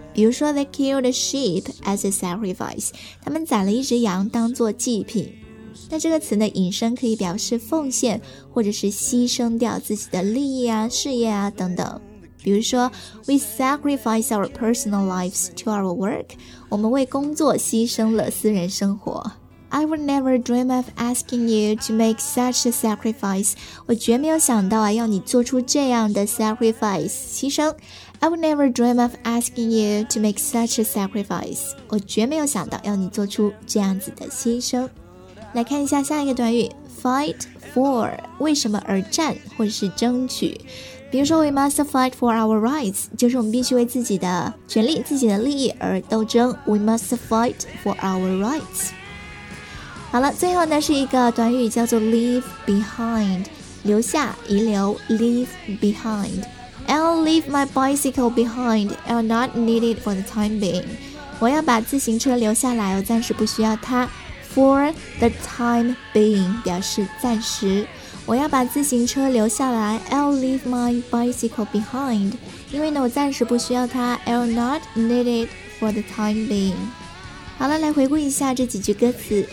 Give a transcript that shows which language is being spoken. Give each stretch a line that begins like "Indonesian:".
Chinese: 比如说 ，
English: they killed a sheep as a sacrifice，
Chinese: 他们宰了一只羊当做祭品。那这个词呢，引申可以表示奉献，或者是牺牲掉自己的利益啊、事业啊等等。比如说
English: ，We sacrifice our personal lives to our work.
Chinese: 我们为工作牺牲了私人生活。
English: I would never dream of asking you to make such a sacrifice.
Chinese: 我绝没有想到啊，要你做出这样的 sacrifice 牺牲。
English: I would never dream of asking you to make such a sacrifice.
Chinese: 我绝没有想到要你做出这样子的牺牲。来看一下下一个短语 fight for， 为什么而战或者是争取。比如说
English: we must fight for our rights，
Chinese: 就是我们必须为自己的权利、自己的利益而斗争。
English: We must fight for our rights。
Chinese: 好了，最后呢是一个短语叫做 leave behind， 留下、遗留。
English: leave behind， I'll leave my bicycle behind， I'll not need it for the time being。
Chinese: 我要把自行车留下来，我暂时不需要它。 For the time being 表示暂时，我要把自行车留下来。
English: I'll leave my bicycle behind，
Chinese: 因为呢我暂时不需要它。
English: I'll not need it for the time being。
Chinese: 好了，来回顾一下这几句歌词。